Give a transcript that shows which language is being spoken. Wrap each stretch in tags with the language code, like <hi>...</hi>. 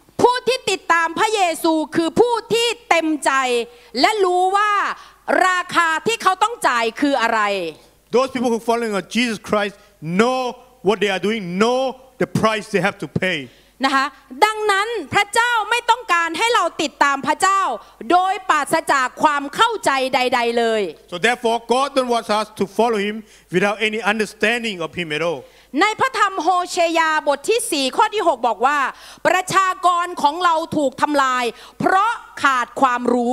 <th>ผู้ที่ติดตามพระเยซูคือผู้ที่เต็มใจและรู้ว่าราคาที่เขาต้องจ่ายคืออะไร</th> <en>Those people who following Jesus Christ know what they are doing know the price they have to payn</en> <th>ะคะดังนั้นพระเจ้าไม่ต้องการให้เราติดตามพระเจ้าโดยปราศจากความเข้าใจใดๆเลย</th> <en>So therefore God don't want us to follow him without any understanding of him at all</en> <th>ในพระธรรมโฮเชยาบทที่4ข้อที่6บอกว่าประชากรของเราถูกทำลายเพราะขาดความรู</th>